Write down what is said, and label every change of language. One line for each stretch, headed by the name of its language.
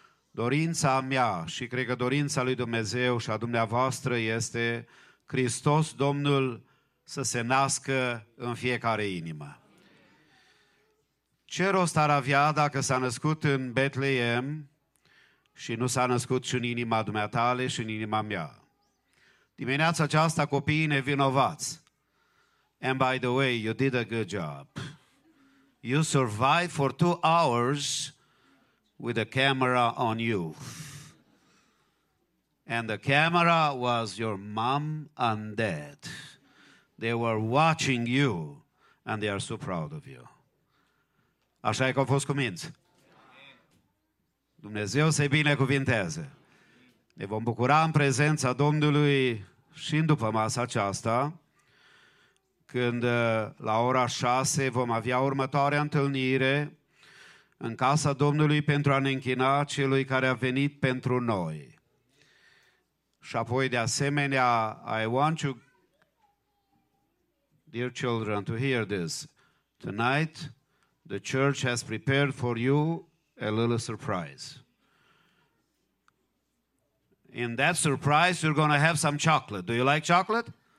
Romanian: Dorința mea și cred că dorința lui Dumnezeu și a dumneavoastră este Hristos Domnul să se nască în fiecare inimă. Ce rost ar avea dacă s-a născut în Betleem și nu s-a născut și în inima dumneatale și în inima mea? Dimineața aceasta, copiii nevinovați.
English: And by the way, you did a good job. You survived for 2 hours with a camera on you. And the camera was your mom and dad. They were watching you and they are so proud of you.
Romanian: Așa e că au fost cu minți. Dumnezeu să-i binecuvinteze. Ne vom bucura în prezența Domnului și în după masa aceasta, când la ora 6 vom avea următoarea întâlnire în casa Domnului pentru a ne închina celui care a venit pentru noi. Și apoi, de asemenea,
English: I want you, dear children, to hear this. Tonight, the church has prepared for you a little surprise. In that surprise, you're going to have some chocolate. Do you like chocolate?